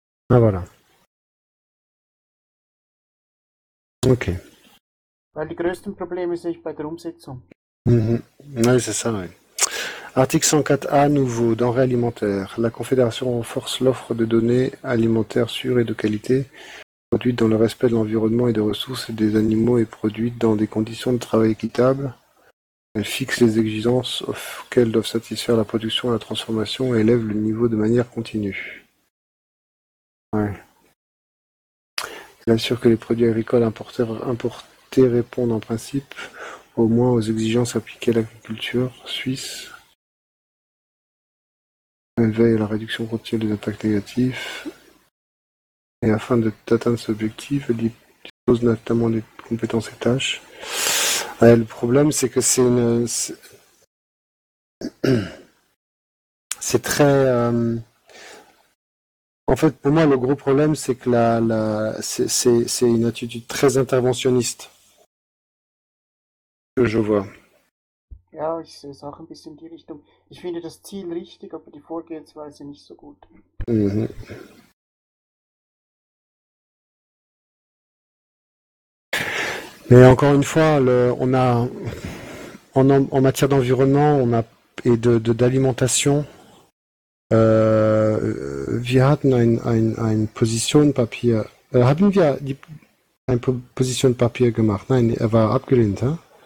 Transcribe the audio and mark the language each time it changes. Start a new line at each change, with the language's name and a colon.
French: Ah, voilà. Ok.
German: Weil die größten Probleme sind bei der Umsetzung.
French: Mm-hmm. Oui, c'est ça, oui. Article 104a, nouveau, denrées alimentaires. La Confédération renforce l'offre de données alimentaires sûres et de qualité, produites dans le respect de l'environnement et des ressources des animaux et produites dans des conditions de travail équitables. Elle fixe les exigences auxquelles doivent satisfaire la production et la transformation et élève le niveau de manière continue. Ouais. Bien sûr que les produits agricoles importés répondent en principe au moins aux exigences appliquées à l'agriculture suisse. Elle veille à la réduction continue des impacts négatifs. Et afin d'atteindre cet objectif, elle dispose notamment des compétences et tâches. Ouais, le problème, c'est que c'est une. C'est très. En fait, pour moi, le gros problème, c'est que c'est une attitude très interventionniste que je vois.
German: Ja, ich sehe es auch ein bisschen in die Richtung. Ich finde das Ziel richtig, aber die Vorgehensweise nicht so gut.
French: Mais encore une fois, on a en matière d'environnement, on a et de d'alimentation.
German: Wir hatten ein Positionpapier. Haben wir ein Positionpapier gemacht? Nein, er war abgelehnt. Hein?